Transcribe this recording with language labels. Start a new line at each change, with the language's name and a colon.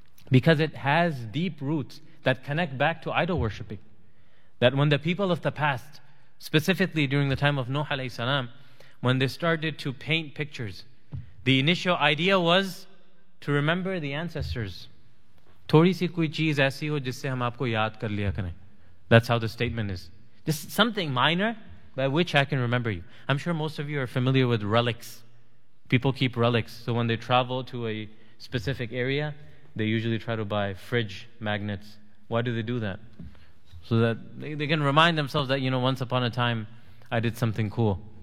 English: Because it has deep roots that connect back to idol worshipping. That when the people of the past, specifically during the time of Nuh alayhi salam, when they started to paint pictures, the initial idea was to remember the ancestors.
Urdu: تھوڑی سی کوئی چیز ایسی ہو جس سے ہم آپکو یاد کر لیا کریں.
English: That's how the statement is. Just something minor by which I can remember you. I'm sure most of you are familiar with relics. People keep relics. So when they travel to a specific area, they usually try to buy fridge magnets. Why do they do that? so that they can remind themselves that, you know, once upon a time I did something cool.